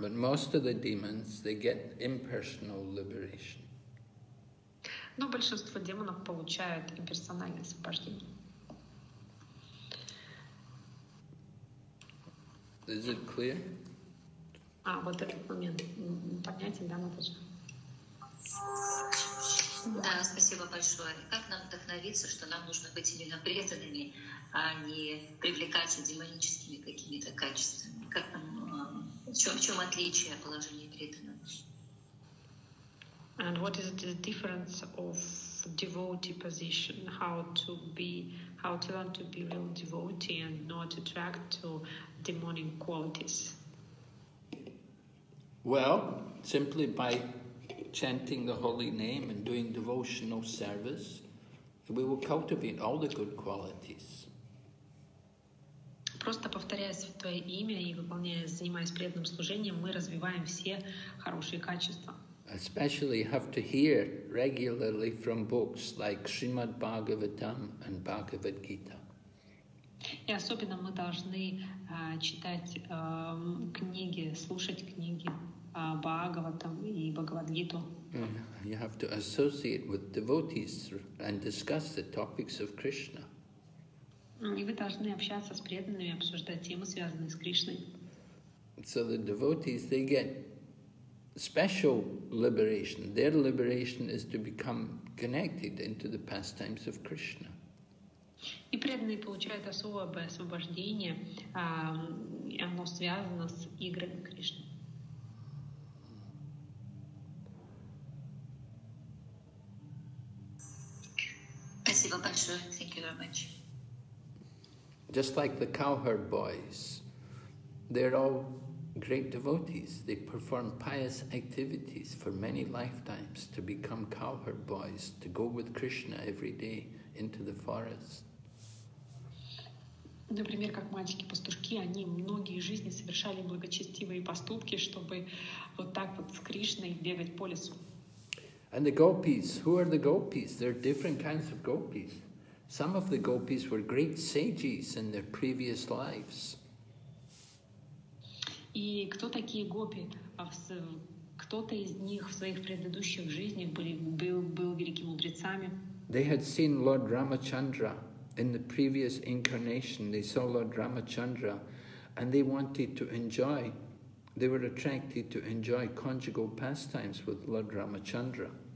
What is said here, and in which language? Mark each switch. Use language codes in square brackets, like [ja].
[en] But most of the demons, they get impersonal liberation. [ru] Но большинство демонов получают имперсональное освобождение. [en] Is it clear? [ru] А, вот этот момент. Понятен, да, Наташа? Да, спасибо большое. Как нам вдохновиться, что нам нужно быть именно преданными, а не привлекаться демоническими какими-то качествами? Как нам, в чем отличие положения преданного? [en] And what is the difference of devotee position? How to learn to be real devotee and not attract to demonic qualities? Well, simply by chanting the holy name and doing devotional service, we will cultivate all the good qualities. [ru] Просто повторяя святое имя и выполняя, занимаясь преданным служением, мы развиваем все хорошие качества. [en] Especially you have to hear regularly from books like Srimad Bhagavatam and Bhagavad Gita. [ru] И особенно мы должны читать книги, слушать книги Бхагаватам и Бхагавадгиту. [en] You have to associate with devotees and discuss the topics of Krishna. [ru] И вы должны общаться с преданными, обсуждать темы, связанные с Кришной. [en] So the devotees, they get special liberation. Their liberation is to become connected into the pastimes of Krishna. [ru] И преданные получают особое освобождение, оно связано с играми Кришны. Спасибо большое. [en] Thank you very much. Just like the cowherd boys, they're all great devotees. They perform pious activities for many lifetimes to become cowherd boys, to go with Krishna every day into the forest. [ru] Например, как мальчики-пастушки, они многие жизни совершали благочестивые поступки, чтобы вот так вот с Кришной бегать по лесу. [en] And the gopis, who are the gopis? There are different kinds of gopis. Some of the gopis were great sages in their previous lives. [ru] И кто такие гопи? Кто-то из них в своих предыдущих жизнях был великими мудрецами. [en] They had seen Lord Ramachandra in the previous incarnation. They saw Lord Ramachandra and they wanted to enjoy, they were attracted to enjoy conjugal pastimes with Lord Ramachandra.